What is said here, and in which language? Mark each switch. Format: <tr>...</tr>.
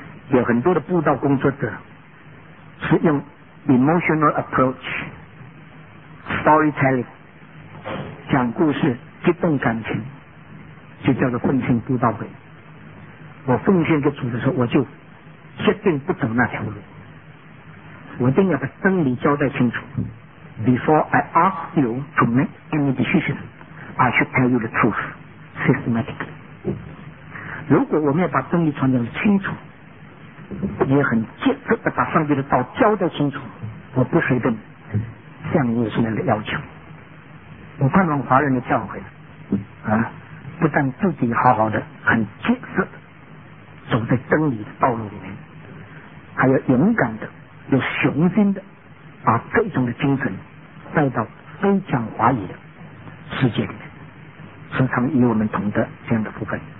<zh>有很多的布道工作者是用</zh> <en>emotional approach，</en> <zh>storytelling， 讲故事激动感情，就叫做奉献布道会。我奉献给主的时候，我就决定不走那条路，我一定要把真理交代清楚。</zh> <en>Before I ask you to make any decision, I should tell you the truth systematically。</en> <zh>如果我们要把真理传讲得清楚，也很切实地把上帝的道交代清楚，我不随便向你什么的要求。我盼望华人的教会啊，不但自己好好的很切实走在真理的道路里面，还要勇敢的有雄心的把这种的精神带到非讲华语的世界里面，时常与我们同的这样的部分。</zh>